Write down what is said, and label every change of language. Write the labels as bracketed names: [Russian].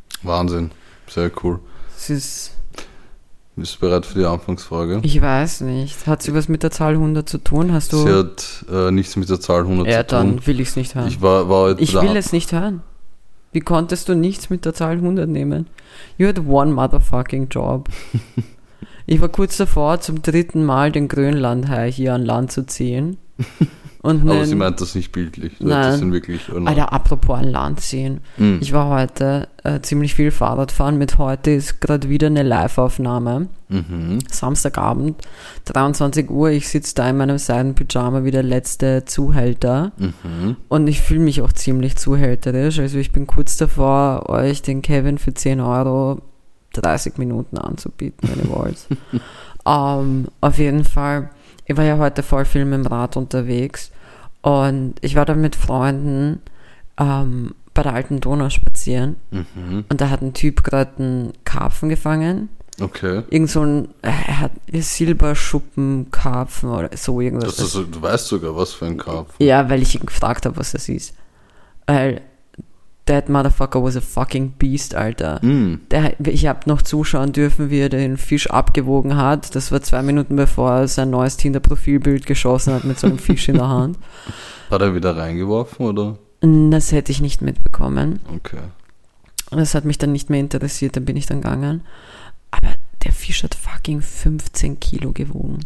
[German] Wahnsinn. Sehr cool. Bist du bereit für die Anfangsfrage? Ich weiß nicht. Hat sie was mit der Zahl 100 zu tun? Hast du? Sie hat nichts mit der Zahl 100 zu tun. Ja, dann will ich es nicht hören. Ich will es nicht hören. Wie konntest du nichts mit der Zahl 100 nehmen? [English] You had one motherfucking job. [German] Ich war kurz davor, zum dritten Mal den Grönlandhai hier an Land zu ziehen. Und aber sie meint das nicht bildlich. Nein. Das wirklich Alter, apropos an Land ziehen. Mhm. Ich war heute ziemlich viel Fahrrad fahren. Mit heute ist gerade wieder eine Live-Aufnahme. Mhm. Samstagabend, 23 Uhr. Ich sitze da in meinem Seidenpyjama wie der letzte Zuhälter. Mhm. Und ich fühle mich auch ziemlich zuhälterisch. Also ich bin kurz davor, euch den Kevin für 10 Euro 30 Minuten anzubieten, wenn ihr wollt. auf jeden Fall... Ich war ja heute voll viel mit dem Rad unterwegs und ich war da mit Freunden bei der Alten Donau spazieren und da hat ein Typ gerade einen Karpfen gefangen. Okay. Irgend so ein, er hat Silberschuppenkarpfen oder so irgendwas. Du weißt sogar, was für ein Karpfen. Ja, weil ich ihn gefragt habe, was das ist. [English] Weil that motherfucker was a fucking beast, Alter. Mm. [German] Ich hab noch zuschauen dürfen, wie er den Fisch abgewogen hat. Das war 2 Minuten, bevor er sein neues Tinder-Profilbild geschossen hat mit so einem Fisch in der Hand. Hat er wieder reingeworfen, oder? Das hätte ich nicht mitbekommen. Okay. Das hat mich dann nicht mehr interessiert, dann bin ich dann gegangen. Aber der Fisch hat fucking 15 Kilo gewogen.